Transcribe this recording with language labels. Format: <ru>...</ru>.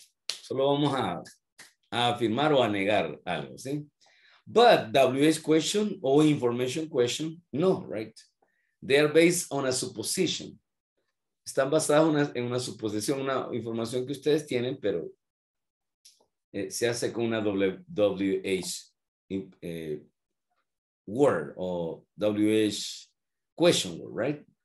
<es>Solo vamos a afirmar o a negar algo, ¿sí?</es> <en>But WH question or information question, no, right? They are based on a supposition.</en> <es>Están basadas en una suposición, una información que ustedes tienen, pero se hace con una WH word o WH question word, right?</es>